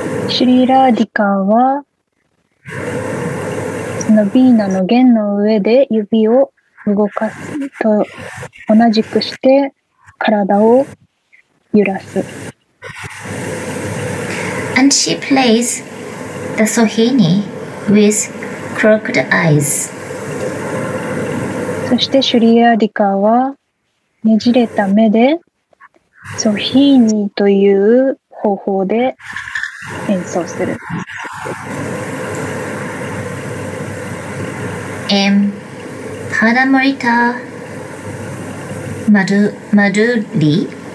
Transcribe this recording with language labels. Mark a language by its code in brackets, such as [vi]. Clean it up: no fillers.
[ja] シュリーラーディカーはそのビーナの弦の上で指を動かすと同じくして体を揺らす。 [en] And she plays the Sohini with crooked eyes. [ja] そしてシュリーラーディカーはねじれた目でソヒーニーという方法で演奏する。 [en] M. Padamrita Madhuri.